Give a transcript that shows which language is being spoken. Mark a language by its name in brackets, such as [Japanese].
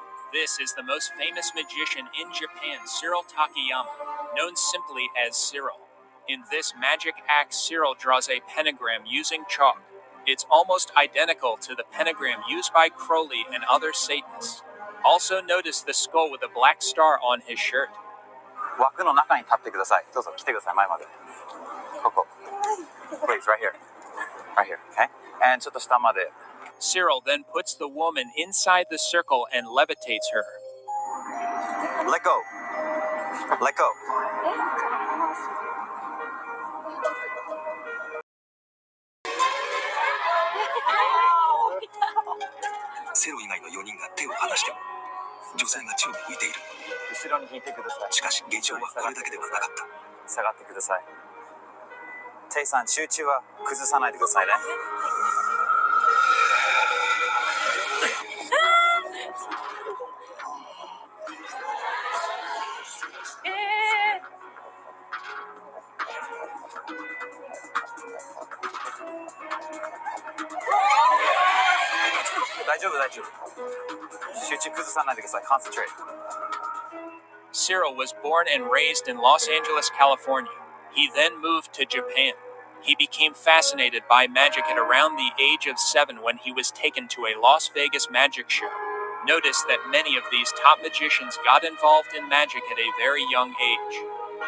[English] This is the most famous magician in Japan, Cyril Takayama, known simply as Cyril. In this magic act, Cyril draws a pentagram using chalk. It's almost identical to the pentagram used by Crowley and other Satanists. Also notice the skull with a black star on his shirt. [Japanese] 枠の中に立ってください。どうぞ来てください。前まで。ここ。 [English] Please, right here. Right here, okay? And [Japanese] ちょっと下まで。 [English] Cyril then puts the woman inside the circle and levitates her. Let go. Let go. [Japanese] Cyril 以外の4人が手を離しても、女性が宙に浮いている。後ろに引いてください。しかし現状はこれだけではなかった。下がってください。テイさん、集中は崩さないでくださいね。大丈夫、大丈夫。集中崩さないでください。 [English] Concentrate. Cyril was born and raised in Los Angeles, California. He then moved to Japan. He became fascinated by magic at around the age of 7 when he was taken to a Las Vegas magic show. Notice that many of these top magicians got involved in magic at a very young age.